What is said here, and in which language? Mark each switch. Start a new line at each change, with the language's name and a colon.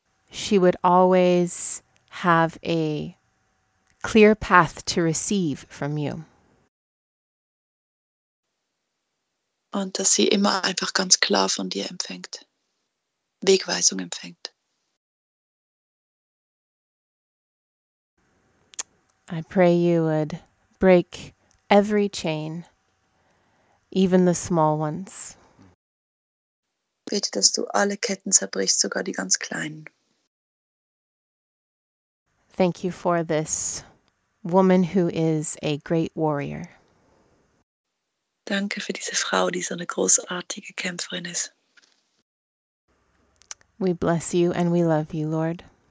English: She would always have a clear path to receive from you.
German: Und dass sie immer einfach ganz klar von dir empfängt, Wegweisung empfängt.
English: I pray you would break every chain, even the small ones.
German: Bitte, dass du alle Ketten zerbrichst, sogar die ganz kleinen.
English: Thank you for this woman who is a great warrior.
German: Danke für diese Frau, die so eine großartige Kämpferin ist.
English: We bless you and we love you, Lord.